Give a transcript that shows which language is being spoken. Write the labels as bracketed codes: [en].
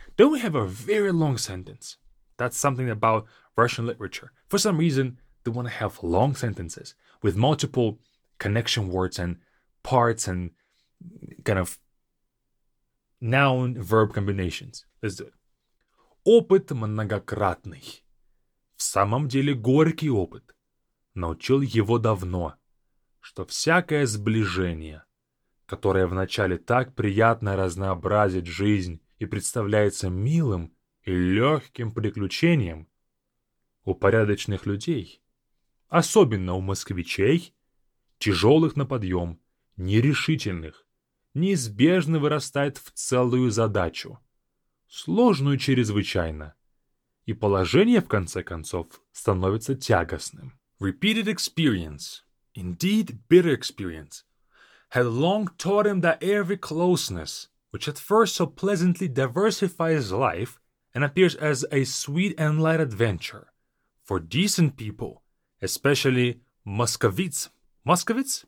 [en] Then we have a very long sentence. That's something about Russian literature. For some reason, they want to have long sentences with multiple connection words and parts and kind of noun-verb combinations. Let's do it. [ru] Опыт многократный. В самом деле горький опыт. Научил его давно, что всякое сближение, которое вначале так приятно разнообразит жизнь и представляется милым и легким приключением, у порядочных людей, особенно у москвичей, тяжелых на подъем, нерешительных, неизбежно вырастает в целую задачу, сложную чрезвычайно, и положение, в конце концов, становится тягостным. [en] Repeated experience, indeed bitter experience, had long taught him that every closeness, which at first so pleasantly diversifies life and appears as a sweet and light adventure, for decent people, especially Moscovites, Moscovites?